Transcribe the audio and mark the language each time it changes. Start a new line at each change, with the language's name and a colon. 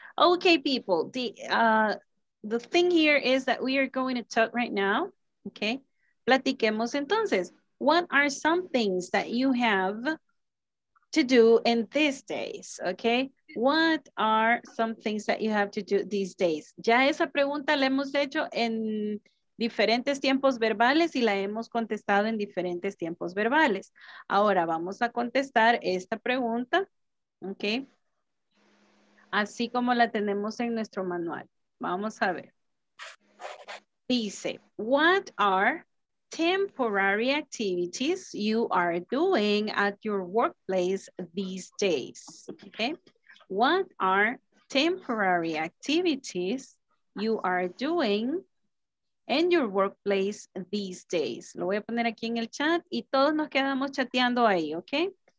English: Okay, people, the thing here is that we are going to talk right now.
Spanish: Okay, platiquemos entonces.
English: What are some things that you have to do in these days? Okay. What are some things that you have to do these days?
Spanish: Ya esa pregunta la hemos hecho en diferentes tiempos verbales y la hemos contestado en diferentes tiempos verbales. Ahora vamos a contestar esta pregunta, ¿ok? Así como la tenemos en nuestro manual. Vamos a ver.
English: Dice, what are temporary activities you are doing at your workplace these days? ¿Ok? What are temporary activities you are doing in your workplace these days?
Spanish: Lo voy a poner aquí en el chat y todos nos quedamos chateando ahí, ¿ok?